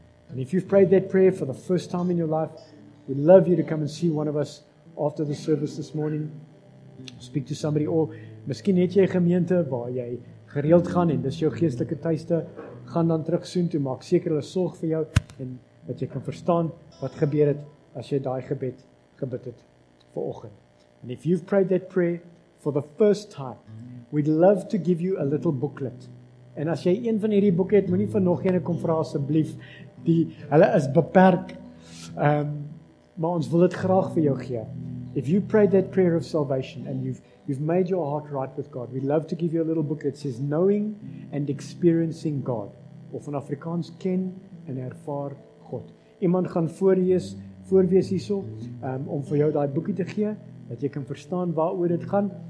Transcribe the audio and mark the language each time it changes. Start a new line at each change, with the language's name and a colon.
English: And if you've prayed that prayer for the first time in your life, we'd love you to come and see one of us after the service this morning. Speak to somebody.
Afrikaans: Or, miskien het jy gemeente waar jy gereeld gaan en dis jou geestelike tuiste. Gaan dan terug soon toe. Maak seker hulle sorg vir jou en dat jy kan verstaan wat gebeur het as jy daai gebed gebid het vir oggend.
English: And if you've prayed that prayer for the first time, we'd love to give you a little booklet.
Afrikaans: En as jy een van hierdie boeke het, moenie vir nog eene kom vra asseblief. Hulle is beperk. Maar ons wil dit graag vir jou gee.
English: If you prayed that prayer of salvation and you've made your heart right with God, we'd love to give you a little booklet that says Knowing and Experiencing God.
Afrikaans: Of in Afrikaans, ken en ervaar God. Iemand gaan voorwees hierso om vir jou daai boekie te gee, dat jy kan verstaan waaroor dit gaan.